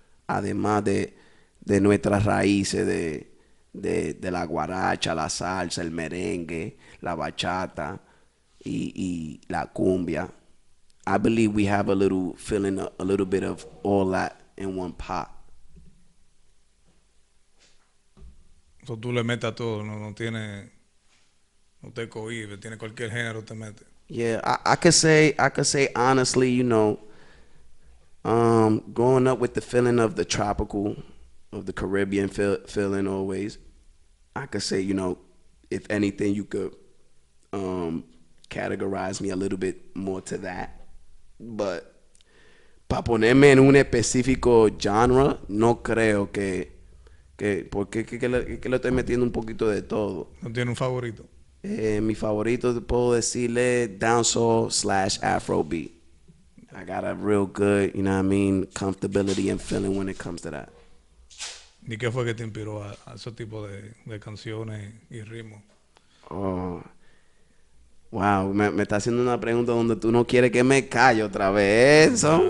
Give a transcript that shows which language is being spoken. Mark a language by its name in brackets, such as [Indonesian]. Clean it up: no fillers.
[Spanish] Además de nuestras raíces de la guaracha, la salsa, el merengue, la bachata y la cumbia. [English] I believe we have a little feeling, a little bit of all that in one pot. [Spanish] So tú le metes a todo, no te cohibes, tiene cualquier género te mete. [English] Yeah, I could say honestly, you know, growing up with the feeling of the tropical, of the Caribbean feeling always, I could say, you know, if anything, you could categorize me a little bit more to that. [Spanish] But para ponerme en un específico genre, no creo que porque que lo estoy metiendo un poquito de todo. ¿No tiene un favorito? Mi favorito te puedo decirle dancehall / afrobeat. [English] I got a real good, you know what I mean, comfortability and feeling when it comes to that. [Spanish] ¿Y qué fue que te inspiró a ese tipo de canciones y ritmo? Oh, wow, me está haciendo una pregunta donde tú no quieres que me calle otra vez, ¿eso?